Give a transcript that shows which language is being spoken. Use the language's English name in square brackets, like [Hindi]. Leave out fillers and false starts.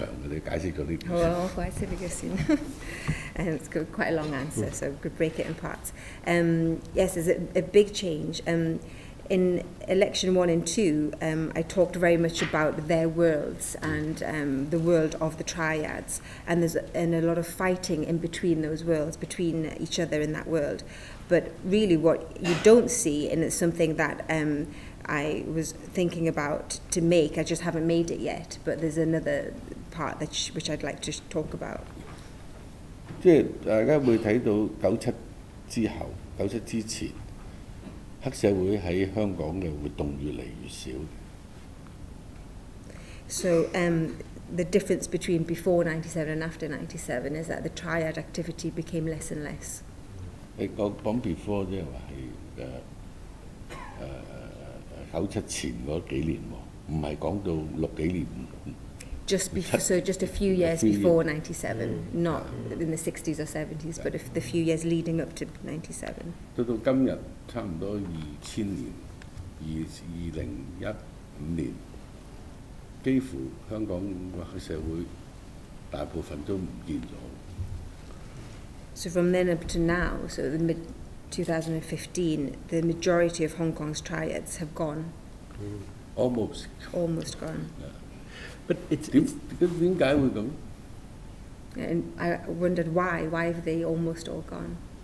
[Cantonese] 整個故事裏邊會睇到就乜誒呢個咧就唔喺第一二集裏邊嘅，但喺第一三即係後邊咧，其實要講嘅嘢咧就係不過而家未拍，不過大概會係當時我想法大概會係97年，好長嘅，你解釋咗啲。好啊，我解釋俾佢先。 [English] And it's quite a long answer, so I could break it in parts. Yes, it's a big change. In Election 1 and 2, I talked very much about their worlds and the world of the triads. And there's a lot of fighting in between those worlds, between each other in that world. But really what you don't see, and it's something that I was thinking about to make, I just haven't made it yet, but there's another part that which I'd like to talk about. [Cantonese] 即係大家會睇到97之後，97之前，黑社會喺香港嘅活動越嚟越少。 [English] So the difference between before 97 and after 97 is that the triad activity became less and less. Before there was the 97 before, not about 60s. Just a few years before 97, not in the 60s or 70s, but the few years leading up to 97. To today, about 2000 years, 2015 years. [Cantonese] 幾乎香港社會大部分都唔見咗。 [English] So from then up to now, so the mid 2015, the majority of Hong Kong's triads have gone. Almost gone. Yeah. But it's [Cantonese] 點解會咁? [English] And I wondered why have they almost all gone?